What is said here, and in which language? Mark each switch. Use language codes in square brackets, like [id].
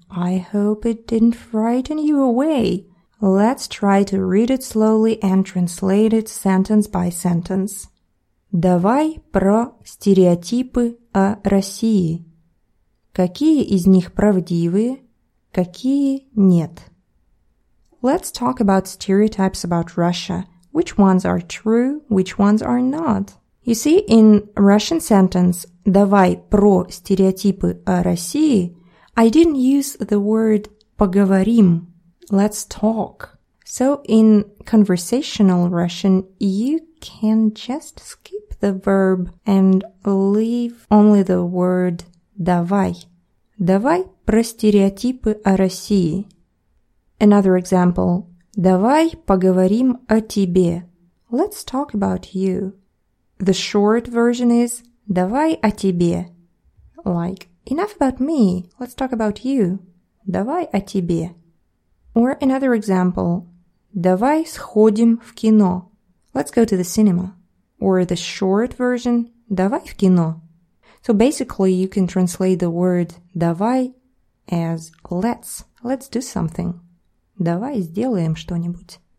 [en] I hope it didn't frighten you away. Let's try to read it slowly and translate it sentence by sentence. [ru] Давай про стереотипы о России. Какие из них правдивые, какие нет? [en] Let's talk about stereotypes about Russia. Which ones are true, which ones are not? You see, in Russian sentence [ru] «давай про стереотипы о России» [en] I didn't use the word «поговорим», «let's talk». So in conversational Russian, you can just skip the verb and leave only the word давай. [ru] Давай про стереотипы о России. [en] Another example. [ru] Давай поговорим о тебе. [en] Let's talk about you. The short version is [ru] давай о тебе. [en] Like, enough about me. Let's talk about you. [ru] Давай о тебе. [en] Or another example. [ru] Давай сходим в кино. [en] Let's go to the cinema. Or the short version, [ru] давай в кино. [en] So basically, you can translate the word давай as let's do something. [ru] Давай сделаем что-нибудь.